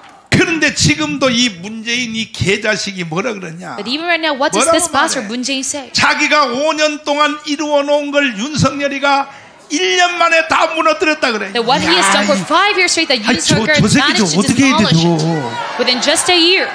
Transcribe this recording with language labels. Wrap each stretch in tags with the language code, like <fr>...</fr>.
<ko>그런데 지금도 이 문재인 이 개자식이 뭐라 그러냐?</ko> <en>But even right now, what does this pastor Moon Jae-in say?</en> <ko>자기가 5년 동안 이루어놓은 걸 윤석열이가 1년 만에 다 무너뜨렸다 그래.</ko> <en>That what 야, he has done for 5 years straight that Yoon Suk Yeol managed to demolish within just a year.</en>